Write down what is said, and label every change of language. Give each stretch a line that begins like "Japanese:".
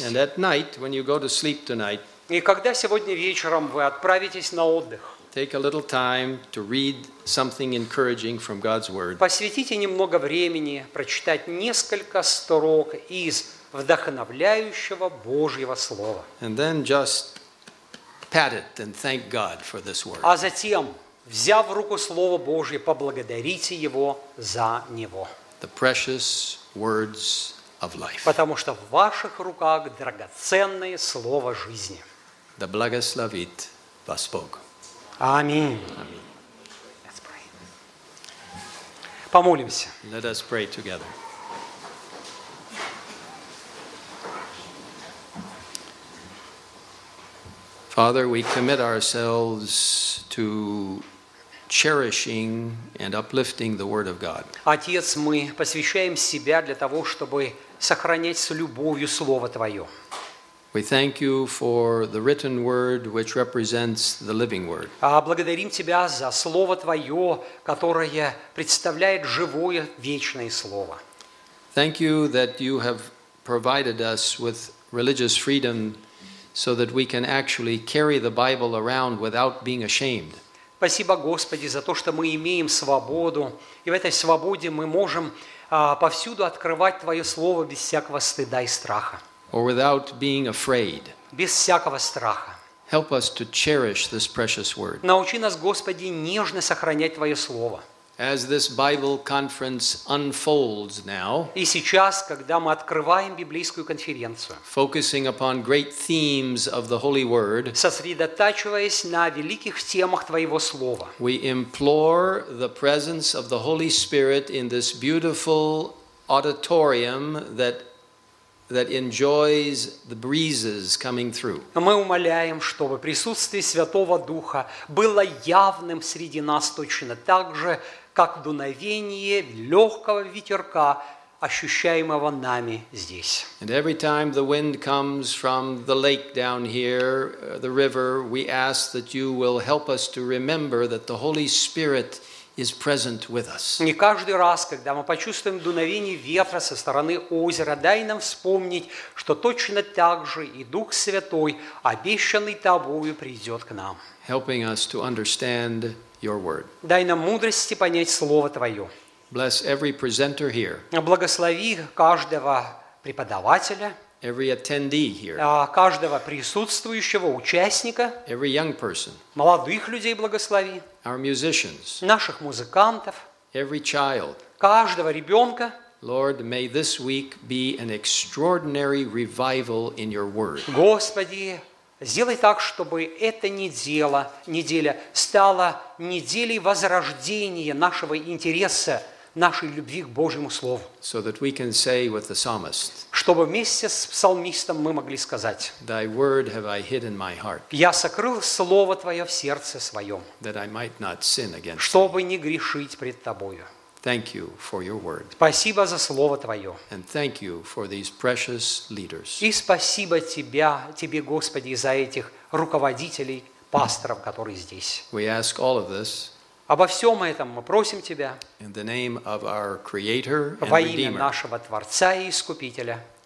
English: And at night, when you go to sleep tonight,
Russian: и когда сегодня вечером вы отправитесь на отдых,
English: take a little time to read something encouraging from God's word.
Russian: Посвятите немного времени прочитать несколько строк из вдохновляющего Божьего слова.
English: And then just pat it and thank God for this word.
Russian: А затем, взяв в руку слово Божье, поблагодарите его за него.
English: The precious words of life.
Russian: Потому что в ваших руках драгоценное слово жизни. Да благословит вас Бог. Аминь.
English: Let's pray.
Russian: Помолимся.
English: Let us pray together. Father, we commit ourselves to cherishing and uplifting the Word of God.
Russian: Отец, мы посвящаем себя для того, чтобы сохранять с любовью Слово Твое.
English: We thank you for the written word which represents the living word.
Russian: Благодарим тебя за слово твое, которое представляет живое вечное слово.
English: Thank you that you have provided us with religious freedom so that we can actually carry the Bible around without being ashamed.
Russian: Спасибо, Господи, за то, что мы имеем свободу, и в этой свободе мы можем повсюду открывать твое слово без всякого стыда и страха.
English: Or without being afraid.
Russian: Без всякого страха.
English: Help us to cherish this precious word.
Russian: Научи нас, Господи, нежно сохранять Твое слово.
English: As this Bible conference unfolds now.
Russian: И сейчас, когда мы открываем библейскую конференцию.
English: Focusing upon great themes of the Holy Word.
Russian: Сосредотачиваясь на великих темах Твоего слова.
English: We implore the presence of the Holy Spirit in this beautiful auditorium that enjoys the breezes coming through.
Russian: Мы умоляем, чтобы присутствие Святого Духа было явным среди нас точно так же, как дуновение легкого ветерка, ощущаемого нами здесь.
English: And every time the wind comes from the lake down here, the river, we ask that you will help us to remember that the Holy Spirit is present with us.
Russian: И каждый раз, когда мы почувствуем дуновение ветра со стороны озера, дай нам вспомнить, что точно так же и Дух Святой, обещанный Тобою, придет к нам.
English: Helping us to understand your word.
Russian: Дай нам мудрости понять Слово Твое.
English: Bless every presenter here.
Russian: Благослови каждого преподавателя.
English: Every attendee here.
Russian: Каждого присутствующего участника.
English: Every young person.
Russian: Молодых людей благослови.
English: Our musicians.
Russian: Наших музыкантов.
English: Every child.
Russian: Каждого ребенка.
English: Lord, may this week be an extraordinary revival in your word.
Russian: Господи, сделай так, чтобы эта неделя стала неделей возрождения нашего интереса, нашей любви к Божьему Слову.
English: So that we can say with the psalmist.
Russian: Чтобы вместе с псалмистом мы могли сказать:
English: Thy word have I hid in my heart.
Russian: Я сокрыл Слово Твое в сердце своем.
English: That I might not sin against you.
Russian: Чтобы не грешить пред Тобою.
English: Thank you for your word.
Russian: Спасибо за Слово Твое.
English: And thank you for these precious leaders.
Russian: И спасибо Тебе, Господи, за этих руководителей, пасторов, которые здесь.
English: We ask all of this.
Russian: Обо всем этом мы просим Тебя
English: in the name of our Creator and
Russian: во имя нашего Творца и Искупителя.